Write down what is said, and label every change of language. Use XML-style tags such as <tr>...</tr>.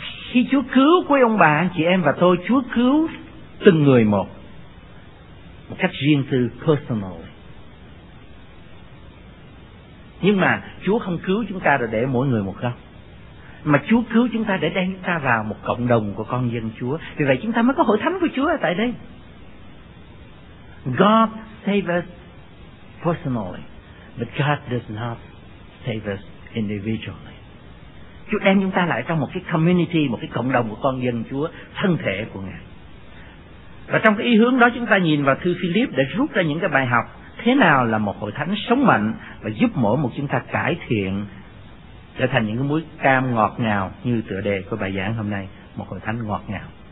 <vi>Khi Chúa cứu quý ông bà, chị em và tôi, Chúa cứu từng người một cách riêng tư, personal. Nhưng mà Chúa không cứu chúng ta để mỗi người một góc, mà Chúa cứu chúng ta để đem chúng ta vào một cộng đồng của con dân Chúa. Vì vậy chúng ta mới có hội thánh của Chúa ở tại đây.</vi> <en>God save us personally, but God does not save us individually.</en> <vi>Chúa đem chúng ta lại trong một cái community, một cái cộng đồng của con dân Chúa, thân thể của Ngài. Và trong cái ý hướng đó, chúng ta nhìn vào thư Philip để rút ra những cái bài học thế nào là một hội thánh sống mạnh và giúp mỗi một chúng ta cải thiện, trở thành những cái muối cam ngọt ngào như tựa đề của bài giảng hôm nay, một hội thánh ngọt ngào.</vi>